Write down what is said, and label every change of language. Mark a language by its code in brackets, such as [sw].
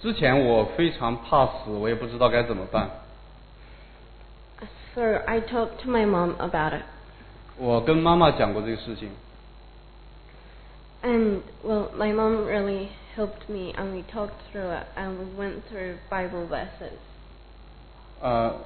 [zh] 之前我非常怕死，我也不知道该怎么办。 [en] So I talked to my mom about it. [zh] 我跟妈妈讲过这个事情。 [en] And well, my mom really helped me, and we talked through it, and we went through Bible verses.